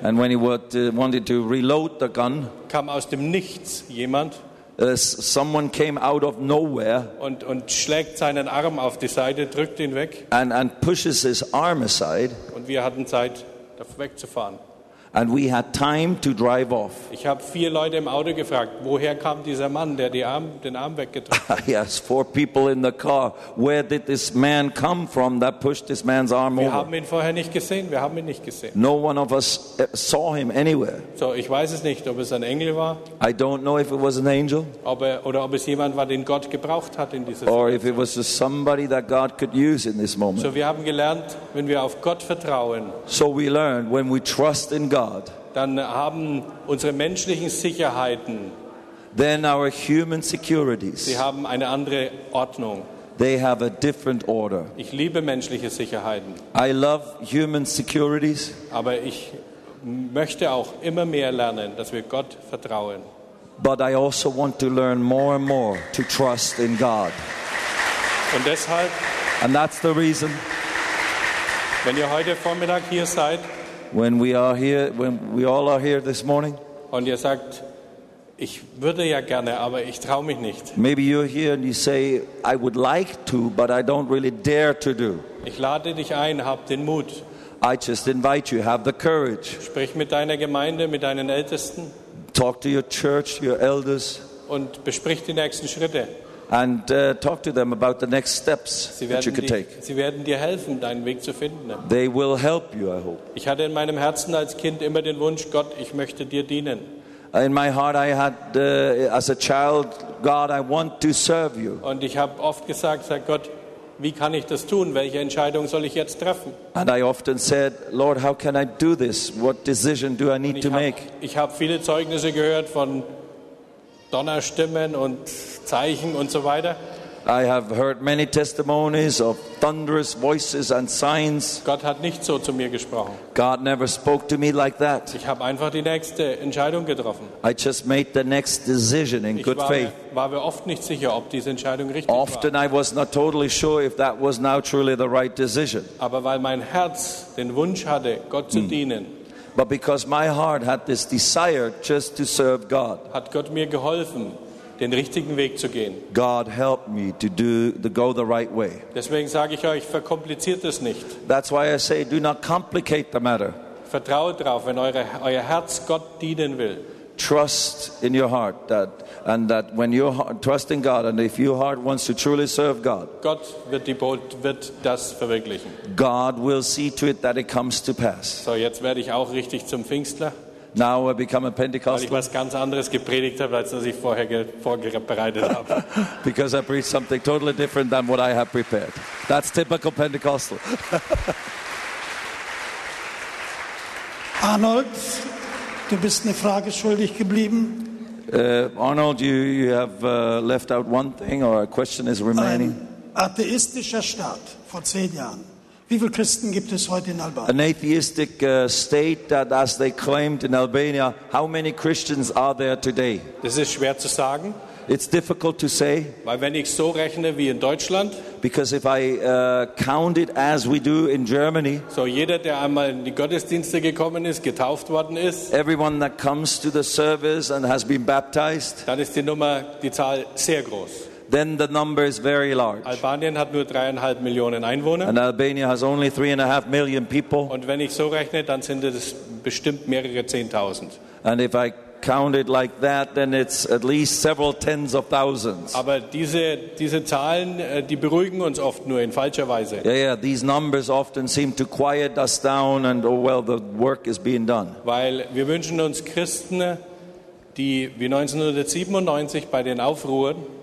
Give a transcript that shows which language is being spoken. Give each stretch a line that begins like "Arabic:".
English: And when he wanted to reload the gun,
German: kam aus dem Nichts jemand.
English: Someone came out of nowhere
German: und schlägt seinen Arm auf die Seite, drückt ihn weg.
English: And pushes his arm aside.
German: Und wir hatten Zeit, wegzufahren.
English: And we had time to drive off.
German: Ich habe vier Leute im Auto gefragt, woher kam dieser Mann, der den Arm weggedrückt hat.
English: Yes, four people in the car. Where did this man come from that pushed this man's arm
German: wir
English: over?
German: Haben ihn vorher nicht gesehen. Wir haben ihn nicht gesehen.
English: No one of us saw him anywhere.
German: So, ich weiß es nicht, ob es ein Engel war.
English: I don't know if it was an angel.
German: Ob es jemand war, den Gott gebraucht hat in dieser
English: Situation. Or if it was just somebody that God could use in this moment.
German: So, wir haben gelernt, wenn wir auf Gott vertrauen.
English: So we learned when we trust in God.
German: Dann haben unsere menschlichen Sicherheiten.
English: Then our human securities.
German: Sie haben eine andere Ordnung.
English: They have a different order.
German: Ich liebe menschliche Sicherheiten.
English: I love human securities.
German: Aber ich möchte auch immer mehr lernen, dass wir Gott vertrauen.
English: But I also want to learn more and more to trust in God.
German: Und deshalb.
English: And that's the reason.
German: Wenn ihr heute Vormittag hier seid.
English: When we are here, when we all are here this morning,
German: und ihr sagt, ich würde ja gerne, aber ich traue mich nicht.
English: Maybe you're here and you say, I would like to, but I don't really dare to do.
German: Ich lade dich ein, hab den Mut.
English: I just invite you, have the courage.
German: Sprich mit deiner Gemeinde, mit deinen Ältesten.
English: Talk to your church, your elders.
German: Und besprich die nächsten Schritte.
English: And talk to them about the next steps that you could take.
German: Sie werden dir helfen, deinen Weg zu finden.
English: They will help you, I hope.
German: Ich hatte in meinem Herzen als Kind immer den Wunsch, Gott, ich möchte dir dienen.
English: In my heart I had as a child, God, I want to serve you.
German: Und ich habe oft gesagt, sag Gott, wie kann ich das tun? Welche Entscheidung soll ich jetzt treffen?
English: And I often said, Lord, how can I do this? What decision do I need to make?
German: Ich habe viele Zeugnisse gehört von Donnerstimmen und Zeichen und so weiter.
English: I have heard many testimonies of thunderous voices and signs.
German: Gott hat nicht so zu mir gesprochen.
English: God never spoke to me like that.
German: Ich habe einfach die nächste Entscheidung getroffen.
English: I just made the next decision in good faith.
German: Ich war mir oft nicht sicher, ob diese Entscheidung richtig war.
English: Often I was not totally sure if that was now truly the right decision.
German: Aber weil mein Herz den Wunsch hatte, Gott zu dienen.
English: But because my heart had this desire just to serve God.
German: Hat Gott mir geholfen, den richtigen Weg zu gehen.
English: God helped me to go the right way.
German: Deswegen sage ich euch, verkompliziert es nicht.
English: That's why I say, do not complicate the matter.
German: Vertraut drauf, wenn euer Herz Gott dienen will.
English: Trust in your heart that when you trust in God and if your heart wants to truly serve God.
German: Gott wird das verwirklichen.
English: God will see to it that it comes to pass.
German: So jetzt werde ich auch richtig zum Pfingstler.
English: Now I become a Pentecostal.
German: Weil ich was ganz anderes gepredigt habe, als was ich vorher vorbereitet habe.
English: Because I preached something totally different than what I have prepared. That's typical Pentecostal.
German: Arnold, du bist eine Frage schuldig geblieben.
English: Arnold, you have left out one thing, or a question is remaining.
German: Ein atheistischer Staat vor 10 Jahren. Wie viele Christen gibt es heute in Albanien?
English: An atheistic state that, as they claimed in Albania, how many Christians are there today?
German: Das ist schwer zu sagen.
English: It's difficult to say.
German: Weil wenn ich so rechne wie in Deutschland.
English: Because if I count it as we do in Germany.
German: So jeder, der einmal in die Gottesdienste gekommen ist, getauft worden ist.
English: Everyone that comes to the service and has been baptized.
German: Dann ist die Zahl sehr groß.
English: Then the number is very large.
German: Albanien hat nur 3,5 Millionen Einwohner.
English: And Albania has only 3.5 million people.
German: Und wenn ich so rechne, dann sind es bestimmt mehrere 10,000.
English: And if I count it like that, then it's at least several tens of thousands.
German: Aber diese Zahlen, die beruhigen uns oft nur in falscher Weise.
English: Yeah, these numbers often seem to quiet us down and oh well, the work is being done.
German: Weil wir wünschen uns Christen, die wie 1997 bei den Aufruhren.